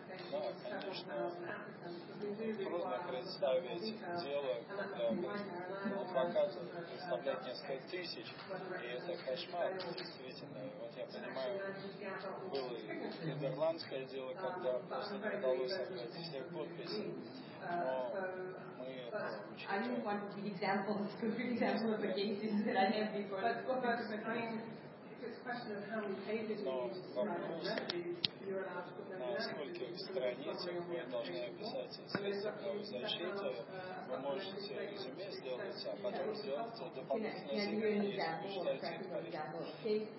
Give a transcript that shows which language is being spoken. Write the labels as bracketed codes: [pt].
[ru] Но, конечно, трудно представить дело, когда мы показываем, представлять несколько тысяч, и это кошмар, действительно. Вот я понимаю, было нидерландское дело, когда просто не удалось собрать все подписи. [en] I don't want to give examples, concrete examples of the cases that I have before. But what about the client? It's a question of how many pages you need to describe the remedy. You're allowed to put them in. [ru] Сколько страницах вы должны описать средства защиты, вы можете резюме сделать, а потом сделать дополнительное заявление, если вы считаете их полезным.